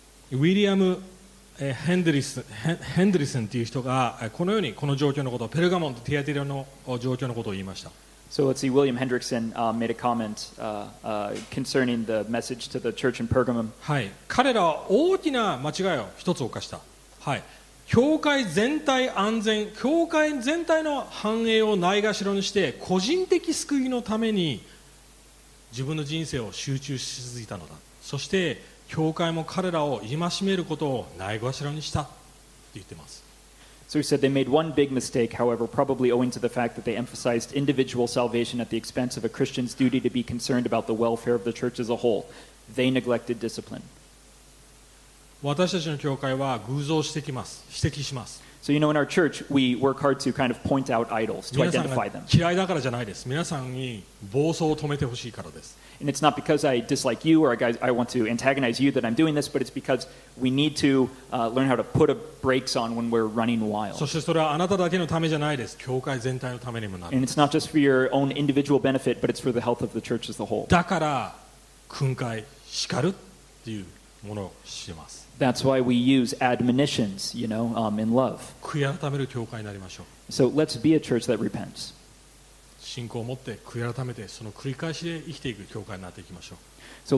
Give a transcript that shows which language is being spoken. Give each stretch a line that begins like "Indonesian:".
Japanese: ウィリアム・ヘンドリスンという人がこのようにこの状況のことをペルガモンとティアテリアの状況のことを言いました。
English: So let's see, William Hendrickson made a comment concerning the message to the church in Pergamum.
Japanese: はい、彼らは大きな間違いを一つ犯した。はい、教会全体安全、教会全体の繁栄をないがしろにして個人的救いのために自分の人生を集中し続いたのだ。そして教会も彼らを戒めることをないがしろにしたって言ってます。
English: So he said they made one big mistake, however, probably owing to the fact that they emphasized individual salvation at the expense of a Christian's duty to be concerned about the welfare of the church as a whole. They neglected discipline.
Japanese: 私たちの教会は偶像を指摘します。
English: So you know, in our church, we work hard to kind of point out idols, to identify them.
Japanese: 皆さんが嫌いだからじゃないです。皆さんに暴走を止めてほしいからです。
English: And it's not because I dislike you or I want to antagonize you that I'm doing this, but it's because we need to learn how to put a brakes on when we're running wild.
Japanese: そしてそれはあなただけのためじゃないです。教会全体のためにもなる。
English: And it's not just for your own individual benefit, but it's for the health of the church as a whole.
Japanese: だから、訓戒、叱るっていうものをします。
English: That's why we use admonitions, you know, in love.
Japanese: 悔い改める教会になりましょう。
English: So let's be a church that repents.
Japanese: 信仰を持って悔い改めてその繰り返しで生きていく教会になっていきましょう。